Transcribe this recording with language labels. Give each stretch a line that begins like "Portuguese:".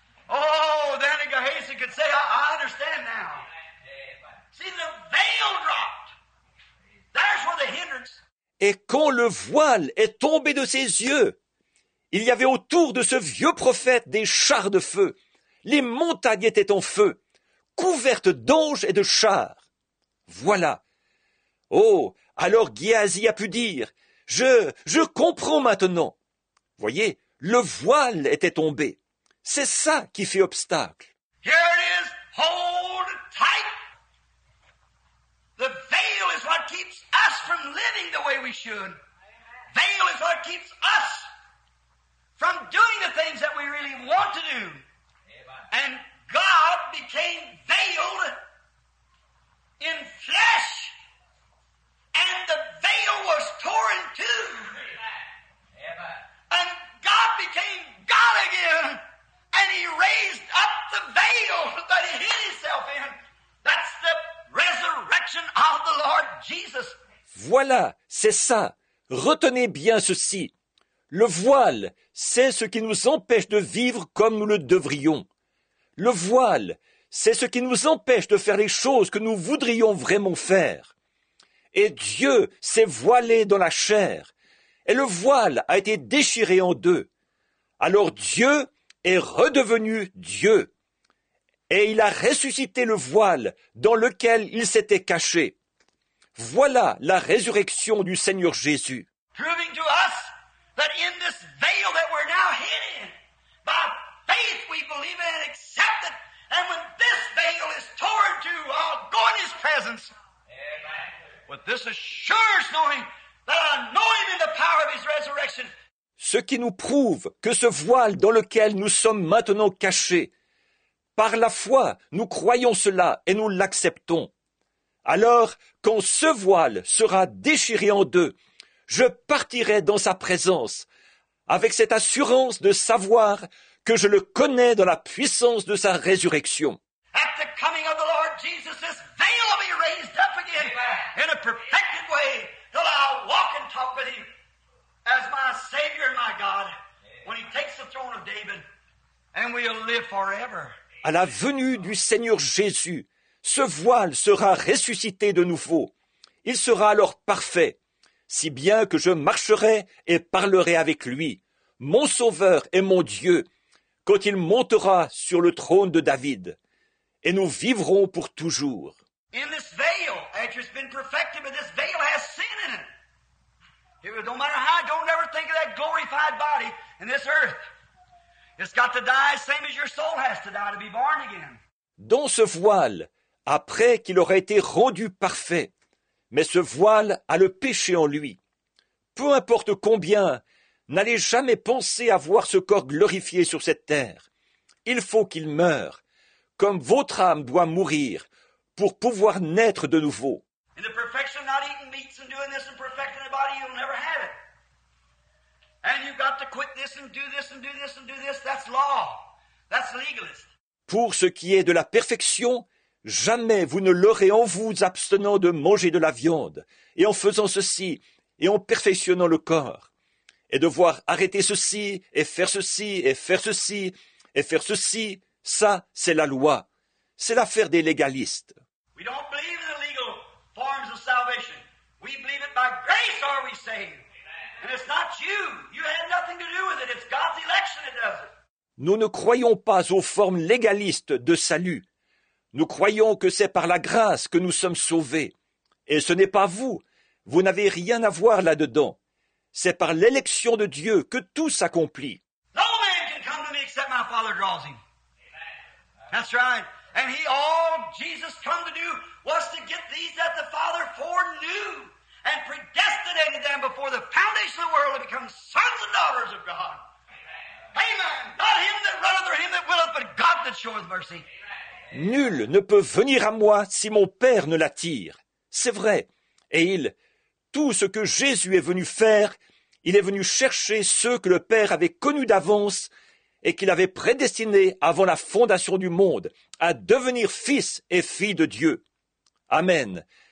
English: Oh, then Gehazi could say, I understand now. Amen. See, the veil dropped. There's where the hindrance.
French: Et quand le voile est tombé de ses yeux, il y avait autour de ce vieux prophète des chars de feu. Les montagnes étaient en feu, couvertes d'anges et de chars. Voilà. Oh, alors Gehazi a pu dire, je comprends maintenant. Voyez, le voile était tombé. C'est ça qui fait obstacle.
English: Here it is. Hold tight. The veil is what keeps us from living the way we should. Amen. Veil is what keeps us from doing the things that we really want to do. Amen. And God became veiled in flesh. And the veil was torn in two. Amen. And God became God again. And he raised up the veil that he hid himself in. That's the resurrection of the Lord Jesus.
French: Voilà, c'est ça. Retenez bien ceci. Le voile, c'est ce qui nous empêche de vivre comme nous le devrions. Le voile, c'est ce qui nous empêche de faire les choses que nous voudrions vraiment faire. Et Dieu s'est voilé dans la chair. Et le voile a été déchiré en deux. Alors Dieu est redevenu Dieu. Et il a ressuscité le voile dans lequel il s'était caché. Voilà la résurrection du Seigneur Jésus.
English: Proving to us that in this veil that we're now hidden, by faith we believe and accept it. And when this veil is torn to, I'll go in his presence. Amen. With this assurance knowing that I know him in the power of his resurrection.
French: Ce qui nous prouve que ce voile dans lequel nous sommes maintenant cachés, par la foi, nous croyons cela et nous l'acceptons. Alors, quand ce voile sera déchiré en deux, je partirai dans sa présence, avec cette assurance de savoir que je le connais dans la puissance de sa résurrection.
English: At the coming of the Lord Jesus, this veil will be raised up again in a perfected way, till I walk and talk with him. As my Savior and my God, when he takes the throne of David, and we'll live forever.
French: À la venue du Seigneur Jésus, ce voile sera ressuscité de nouveau. Il sera alors parfait, si bien que je marcherai et parlerai avec lui, mon Sauveur et mon Dieu, quand il montera sur le trône de David, et nous vivrons pour toujours.
English: In this veil, after it's been perfected, but this veil has sin in it. It don't matter how, don't ever think of that glorified body in this earth. It's got to die same as your soul has to die to be born again.
French: Dans ce voile, après qu'il aurait été rendu parfait, mais ce voile a le péché en lui. Peu importe combien, n'allez jamais penser à voir ce corps glorifié sur cette terre. Il faut qu'il meure, comme votre âme doit mourir pour pouvoir naître de nouveau.
English: In the perfection, not eating meats and doing this and perfecting the body, you'll never have it. And you've got to quit this and do this and do this and do this. That's law. That's legalist.
French: Pour ce qui est de la perfection, jamais vous ne l'aurez en vous abstenant de manger de la viande et en faisant ceci et en perfectionnant le corps et devoir arrêter ceci et faire ceci et faire ceci et faire ceci. Ça, c'est la loi. C'est l'affaire des légalistes.
English: We don't believe in the legal forms of salvation. We believe it by grace are we saved. Amen. And it's not you. You had nothing to do with it. It's God's election that does it.
French: Nous ne croyons pas aux formes légalistes de salut. Nous croyons que c'est par la grâce que nous sommes sauvés. Et ce n'est pas vous. Vous n'avez rien à voir là-dedans. C'est par l'élection de Dieu que tout s'accomplit.
English: No man can come to me except my Father draws him. That's right. And he, all Jesus come to do was to get these that the Father foreknew and predestinated them before the foundation of the world to become sons and daughters of God. Amen. Amen. Not him that runneth or him that willeth, but God that showeth mercy.
French: Nul ne peut venir à moi si mon Père ne l'attire. C'est vrai. Et il, tout ce que Jésus est venu faire, il est venu chercher ceux que le Père avait connus d'avance et qu'il avait prédestinés avant la fondation du monde à devenir fils et filles de Dieu. Amen.